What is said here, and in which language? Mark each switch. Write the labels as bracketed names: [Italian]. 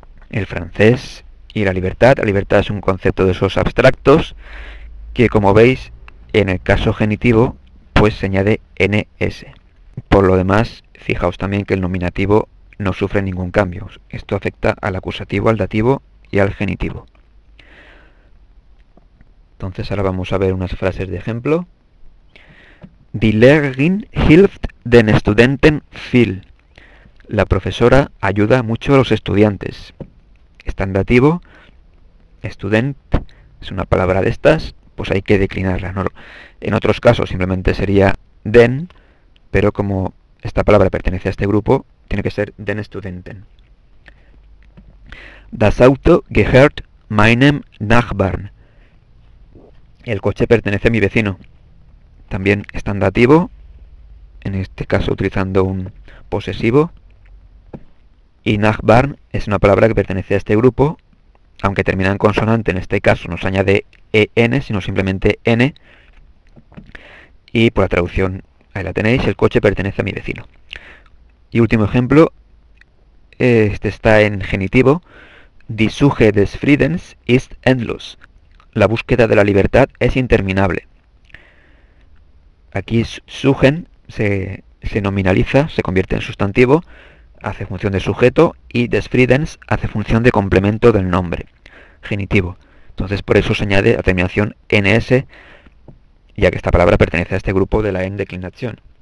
[Spanish] El francés y la libertad. La libertad es un concepto de esos abstractos que, como veis, en el caso genitivo, pues se añade ns. Por lo demás, fijaos también que el nominativo no sufre ningún cambio. Esto afecta al acusativo, al dativo y al genitivo. Entonces, ahora vamos a ver unas frases de ejemplo. [German] Die Lehrerin hilft den Studenten viel. [Spanish] La profesora ayuda mucho a los estudiantes. Está en dativo. Student es una palabra de estas, pues hay que declinarla. No, en otros casos simplemente sería den, pero como esta palabra pertenece a este grupo, tiene que ser [German] den Studenten. Das Auto gehört meinem Nachbarn. [Spanish] El coche pertenece a mi vecino. También está en dativo, en este caso utilizando un posesivo. Y Nachbarn es una palabra que pertenece a este grupo, aunque termina en consonante, en este caso no se añade en, sino simplemente n. Y por la traducción, ahí la tenéis, el coche pertenece a mi vecino. Y último ejemplo, este está en genitivo. [German] Die Suche des Friedens ist endlos. [Spanish] La búsqueda de la libertad es interminable. Aquí suchen se nominaliza, se convierte en sustantivo, hace función de sujeto y [German] des Friedens [Spanish] hace función de complemento del nombre, genitivo. Entonces por eso se añade la terminación ns, ya que esta palabra pertenece a este grupo de la endeclinación.